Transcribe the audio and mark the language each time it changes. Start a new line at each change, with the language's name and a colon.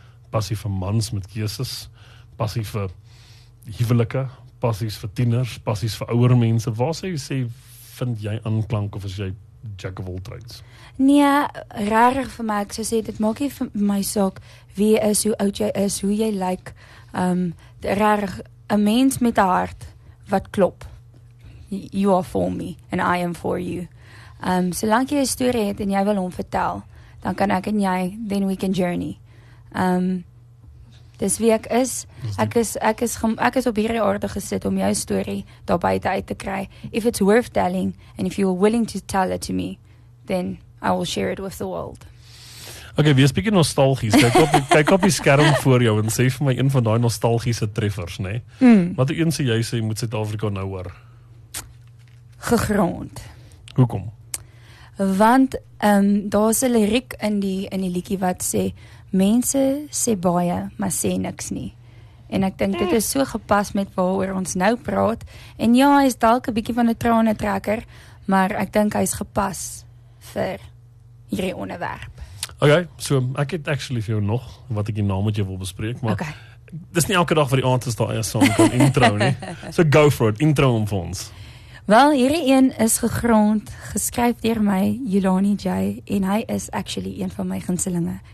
Afrikaans: Passie vir mans met Jesus, passie vir huwelike, passies vir tieners, passies vir ouer mense. Waar sê jy, vind jy aanklank of is jy
English: jack of all trades?
Afrikaans: Nee, rarig vir my. Ek sou sê, dit maak jy vir my saak wie jy is, hoe oud jy is, hoe jy lyk. Rarig, 'n mens met 'n hart wat klop.
English: You are for me and I am for you.
Afrikaans: Solank jy 'n story het en jy wil hom vertel, dan kan ek en jy,
English: then we can journey.
Afrikaans: Dis wie ek is. Ek is op hierdie aarde gesit om jou storie daar buite uit te kry.
English: If it's worth telling and if you are willing to tell it to me, then I will share it with the world.
Afrikaans: Okay, wees bietjie nostalgies. Kyk op die skerm voor jou en sê vir my een van daai nostalgiese treffers, né? Wat een sê jy sê moet Suid-Afrika nou hoor? Gegrond. Hoekom? Want daar's 'n liriek in die liedjie wat sê mense sê baie, maar sê niks nie. En ek dink dit is so gepas met waaroor ons nou praat. En ja, hy is dalk 'n bietjie van 'n tranentrekker, maar ek dink hy is gepas vir hierdie onderwerp. Okay, so ek het actually vir jou nog wat ek die naam met jou wil bespreek, maar okay. Dis nie elke dag wat die aand is daar eers so 'n intro nie. So go for it, intro om vir ons. Wel, hierdie een is gegrond, geskryf deur my, Yolani J, en hy is actually een van my gunstelinge.